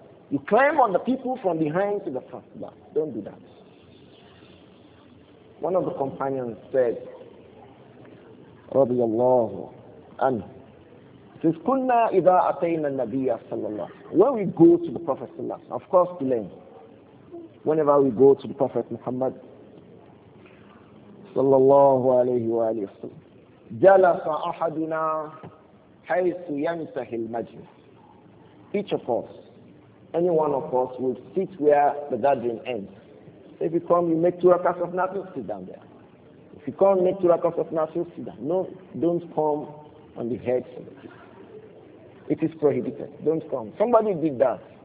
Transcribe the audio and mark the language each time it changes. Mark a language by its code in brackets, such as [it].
[en] You climb on the people from behind to the front. No, don't do that. One of the companions said, [ar] رضي الله عنه, since كنا إذا أتينا النبي صلى الله عليه وسلم, [en] when we go to the Prophet [ar] صلى الله عليه وسلم, [en] of course to learn, whenever we go to the Prophet Muhammad [ar] صلى الله عليه وآله وسلم, جلس أحدنا حيث ينتهي المجلس. [en] Each of us, any one of us, will sit where the gathering ends. If you come, you make two rakats of nafil, sit down there. If you come make to Rakos of National Sudan, no, don't come on the heads of the people. It is prohibited. Don't come. Somebody did that.